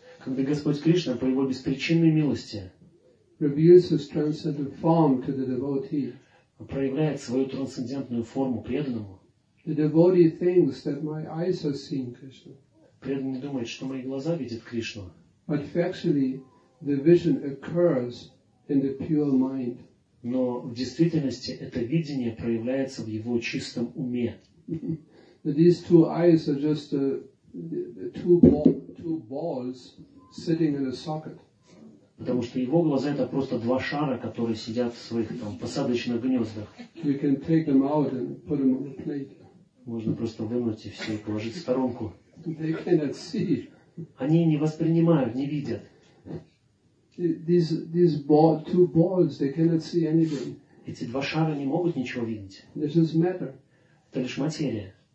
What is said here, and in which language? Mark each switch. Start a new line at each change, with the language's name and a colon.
Russian: когда Господь Кришна по его беспричинной милости
English: reveals his transcendental form to the devotee,
Russian: проявляет свою трансцендентную форму преданному,
English: the devotee thinks that my eyes are seeing Krishna.
Russian: Преданный думает, что мои глаза видят Кришну.
English: But factually, the vision occurs in the pure mind.
Russian: Но в действительности это видение проявляется в его чистом уме.
English: These two eyes are just two balls sitting in a socket.
Russian: Потому что его глаза это просто два шара, которые сидят в своих там посадочных гнездах.
English: You can take them out and put them on a plate.
Russian: Можно просто вынуть и все, положить в сторонку.
English: They cannot see.
Russian: Они не воспринимают, не видят.
English: Two balls, they cannot see anything.
Russian: Эти два шара не могут ничего видеть.
English: This is matter.
Russian: Это лишь материя.